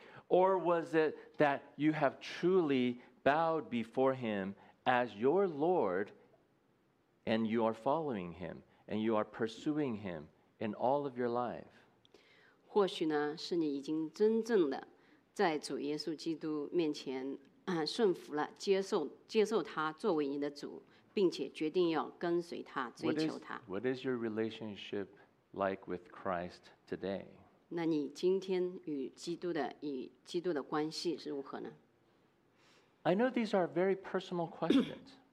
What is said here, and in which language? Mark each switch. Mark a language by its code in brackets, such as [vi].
[en] Or was it that you have truly bowed before him as your Lord and you are following him and you are pursuing him in all of your life? [zh] 或许呢，是你已经真正的在主耶稣基督面前顺服了，接受他作为你的主，并且决定要跟随他，追求他。 [en] What is your relationship like with Christ today? [zh] 那你今天与基督的关系是如何呢？ [en] I know these are very personal questions.